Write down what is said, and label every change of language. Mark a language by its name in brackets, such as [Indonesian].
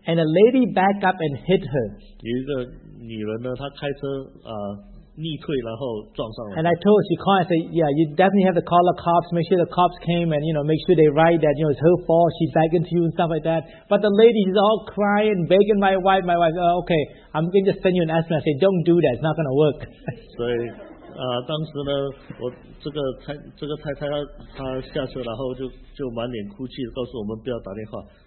[English] and a lady backed up and hit her. [Chinese] 有一个女人呢, 她开车, 逆退然后撞上了, [English] and I told her, she called and said, yeah, you definitely have to call the cops, make sure the cops came and, you know, make sure they write that, you know, it's her fault, she's begging to you and stuff like that. But the lady is all crying, begging my wife. My wife, oh, okay, I'm going to send you an SMS. I said, don't do that, it's not going to work. [Chinese] 所以, 当时呢, 我这个太太她下车, 然后就满脸哭泣, 告诉我们不要打电话。